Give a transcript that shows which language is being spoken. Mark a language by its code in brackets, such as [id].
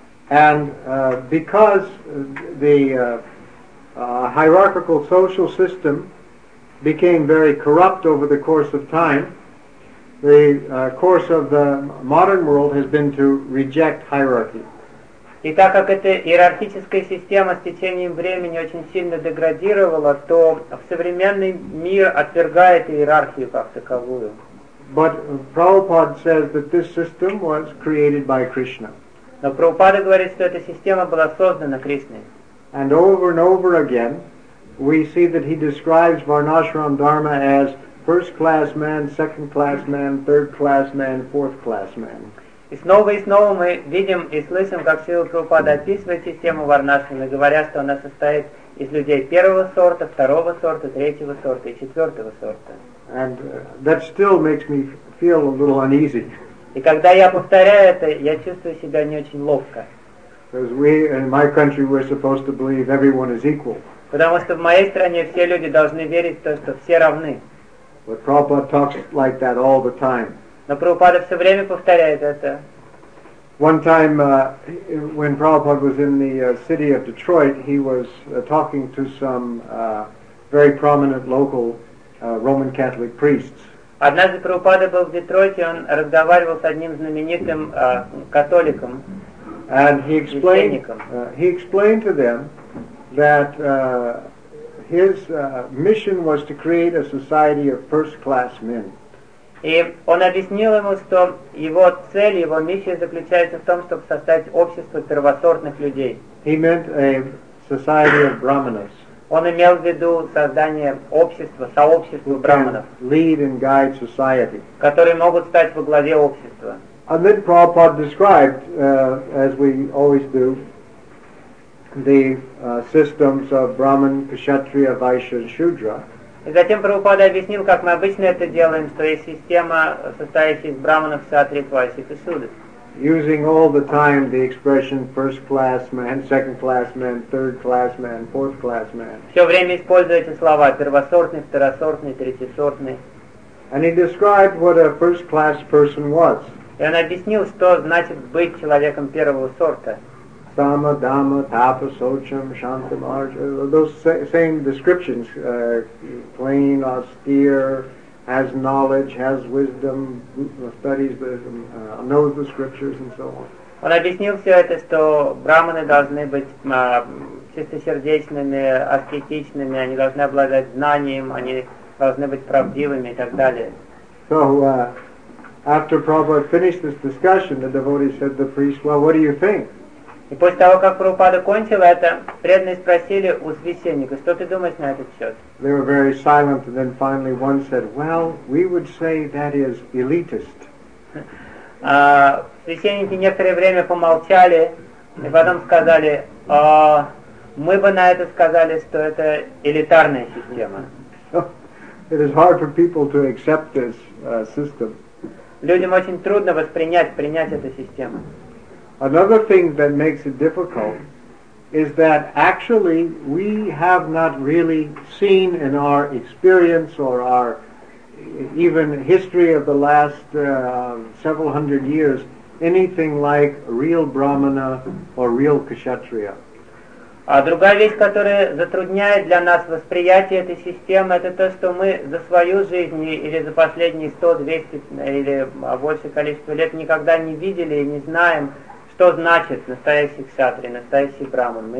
[en] And because the hierarchical social system became very corrupt over the course of time, the course of the modern world has been to reject hierarchy. [ru] И так как эта иерархическая система с течением времени очень сильно деградировала, то современный мир отвергает иерархию как таковую. [en] But Prabhupada says that this system was created by Krishna. [ru] Но Прабхупада говорит, что эта система была создана Кришной. [en] And over and over again, we see that he describes Varnashram Dharma as first class man, second class man, third class man, fourth class man. [ru] И снова и снова мы видим и слышим, как Шрила Прабхупада описывает систему Варнашрамы, говоря, что она состоит из людей первого сорта, второго сорта, третьего сорта и четвертого сорта. [en] And that still makes me feel a little uneasy. [ru] И когда я повторяю это, я чувствую себя не очень ловко. [en] Because we in my country we're supposed to believe everyone is equal. [ru] Потому что в моей стране все люди должны верить в то, что все равны. [en] But Prabhupada talks like that all the time. [ru] Но Прабхупада все время повторяет это. [en] One time when Prabhupada was in the city of Detroit, he was talking to some very prominent local Roman Catholic priests. [ru] Однажды Прабхупада был в Детройте, он разговаривал с одним знаменитым католиком, священником. [en] He explained to them that his mission was to create a society of first-class men. [ru] И он объяснил ему, что его цель, его миссия заключается в том, чтобы создать общество первосортных людей. [en] He meant a society of brahmanas. [ru] Он имел в виду создание общества, сообщества браманов, [en] lead and guide society, [ru] которые могут стать во главе общества. [en] And then Prabhupada described, as we always do, the systems of Brahman, Kshatriya, Vaishya, and Shudra. [ru] И затем Прабхупада объяснил, как мы обычно это делаем, что есть система, состоящая из браманов, ксатрий, вайшьев и суды. [en] Using all the time the expression first class man, second class man, third class man, fourth class man. [ru] Все время используя эти слова: первосортный, второсортный, третьесортный. [en] And he described what a first class person was. [ru] И он объяснил, что значит быть человеком первого сорта. [en] Sama, Dhamma, Tapa, Socham, Shantamarja, those same descriptions, clean, austere, has knowledge, has wisdom, studies Buddhism, knows the scriptures, and so on. [ru] Он объяснил все это, что браманы должны быть чистосердечными, аскетичными, они должны обладать знанием, они должны быть правдивыми и так далее. [en] So, after Prabhupada finished this discussion, the devotee said to the priest, well, what do you think? [ru] И после того, как Прабхупада кончил это, преданные спросили у священника, что ты думаешь на этот счет? [en] They were very silent, and then finally one said, well, we would say that is elitist. [ru] Священники некоторое время помолчали, и потом сказали, мы бы на это сказали, что это элитарная система. [en] It is hard for people to accept this system. [ru] Людям очень трудно воспринять, принять эту систему. [en] Another thing that makes it difficult is that actually we have not really seen in our experience or our even history of the last several hundred years anything like real Brahmana or real Kshatriya. [ru] А другая вещь, которая затрудняет для нас восприятие этой системы, это то, что мы за свою жизнь или за последние 100, 200 или больше количество лет никогда не видели и не знаем, что значит настоящий ксатри, настоящий браман.